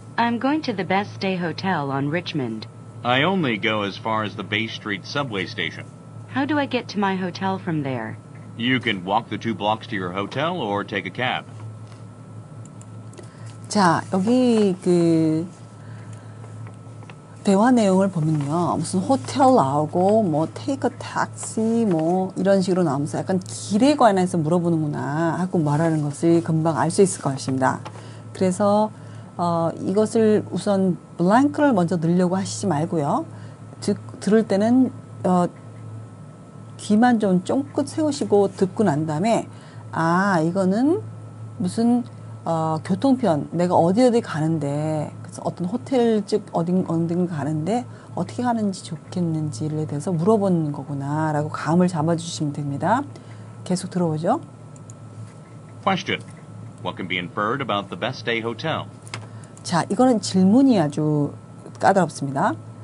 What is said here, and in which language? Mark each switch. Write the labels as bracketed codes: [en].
[en] I'm going to the Best Day Hotel on Richmond. I only go as far as the Bay Street subway station. How do I get to my hotel from there? You can walk the two blocks to your hotel or take a cab. [ko] 자, 여기 그 대화 내용을 보면요. 무슨 호텔 나오고 뭐 [en] take a taxi [ko] 뭐 이런 식으로 나오면서 약간 길에 관해서 물어보는구나 하고 말하는 것을 금방 알 수 있을 것입니다. 그래서 이것을 우선 blank를 먼저 넣으려고 하시지 말고요. 들을 때는 귀만 좀 쫑긋 세우시고 듣고 난 다음에 아 이거는 무슨 교통편 내가 어디 가는데 그래서 어떤 호텔 즉 어딘 가는데 어떻게 가는지 좋겠는지를 대해서 물어보는 거구나 라고 감을 잡아주시면 됩니다. 계속 들어보죠. [en] Question. What can be inferred about the Best Day Hotel? [ko] 자, 이거는 질문이 아주 까다롭습니다.